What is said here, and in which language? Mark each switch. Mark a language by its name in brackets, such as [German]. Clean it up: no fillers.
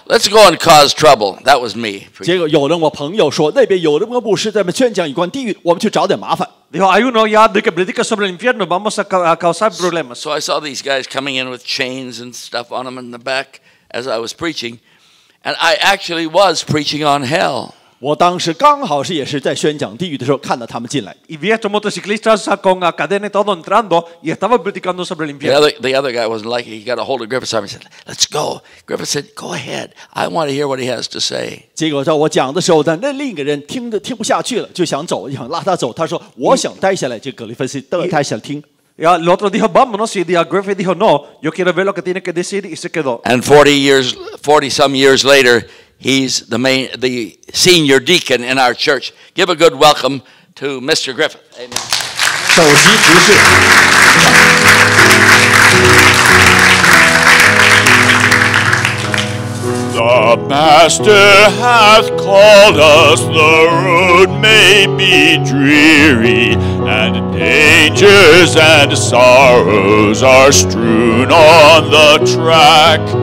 [English] Let's go and cause trouble." That was me. [Chinese] 结果有人，我朋友说，那边有人跟牧师在那宣讲有关地狱，我们去找点麻烦。 [Spanish] Dijo, "Hay uno ya de que predica sobre el infierno. Vamos a causar problemas." [English] So I saw these guys coming in with chains and stuff on them in the back as I was preaching, and I actually was preaching on hell. [Chinese] 我当时刚好是也是在宣讲地狱的时候，看到他们进来。 [Spanish] Y vi estos motociclistas con cadenas todo entrando y estaba predicando sobre el infierno. [English] The other guy wasn't like it. He got a hold of Griffith's arm and said, "Let's go." Griffith said, "Go ahead. I want to hear what he has to say." [Chinese] 结果在我讲的时候，但那另一个人听不下去了，就想走，想拉他走。他说，我想待下来。就格里芬斯等他想听。 [Spanish] Y el otro dijo, "Vámonos." Y Griffith dijo, "No, yo quiero ver lo que tiene que decir." Y se quedó. [English] And 40 years, 40-some years later, he's the senior deacon in our church. Give a good welcome to Mr. Griffith. Amen. The Master hath called us, the road may be dreary, and dangers and sorrows are strewn on the track.